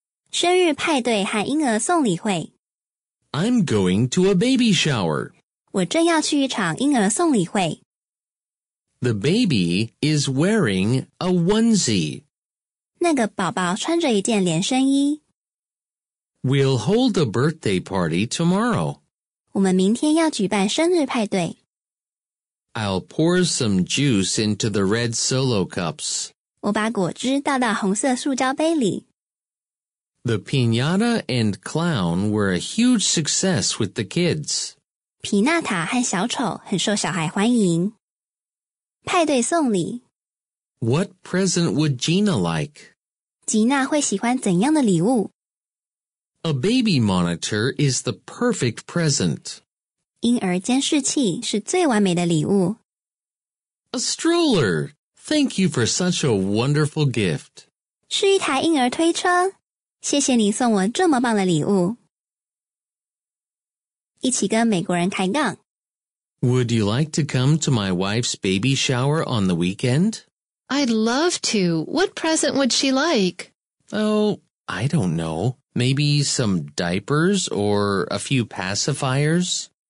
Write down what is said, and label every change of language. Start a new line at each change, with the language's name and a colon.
Chinese: 生日派对和婴儿送礼会。
English: I'm going to a baby shower.
Chinese: 我正要去一场婴儿送礼会。
English: The baby is wearing a onesie.
Chinese: 那个宝宝穿着一件连身衣。
English: We'll hold a birthday party tomorrow.
Chinese: 我们明天要举办生日派对。
English: I'll pour some juice into the red solo cups.
Chinese: 我把果汁倒到红色塑胶杯里。
English: The piñata and clown were a huge success with the kids.
Chinese: 皮纳塔和小丑很受小孩欢迎。派对送礼。
English: What present would Gina like?
Chinese: 吉娜会喜欢怎样的礼物?
English: A baby monitor is the perfect present.
Chinese: 婴儿监视器是最完美的礼物。
English: A stroller! Thank you for such a wonderful gift.
Chinese: 是一台婴儿推车。谢谢你送我这么棒的礼物。一起跟美国人开杠。
English: Would you like to come to my wife's baby shower on the weekend? I'd love to. What present would she like? Oh, I don't know. Maybe some diapers or a few pacifiers?